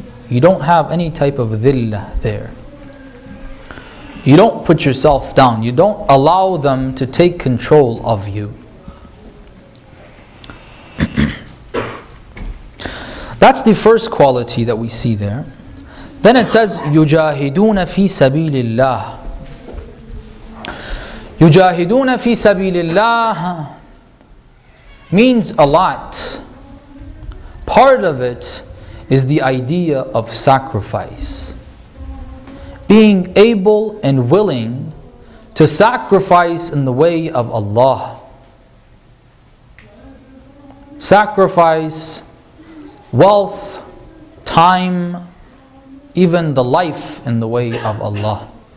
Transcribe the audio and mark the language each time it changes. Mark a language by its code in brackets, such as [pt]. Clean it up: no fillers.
[en] You don't have any type of dhillah there. You don't put yourself down. You don't allow them to take control of you. That's the first quality that we see there. Then it says, [ar] يُجَاهِدُونَ فِي سَبِيلِ اللَّهِ. يُجَاهِدُونَ فِي سَبِيلِ اللَّهِ [en] means a lot. Part of it is the idea of sacrifice. Being able and willing to sacrifice in the way of Allah. Sacrifice, wealth, time, even the life in the way of Allah.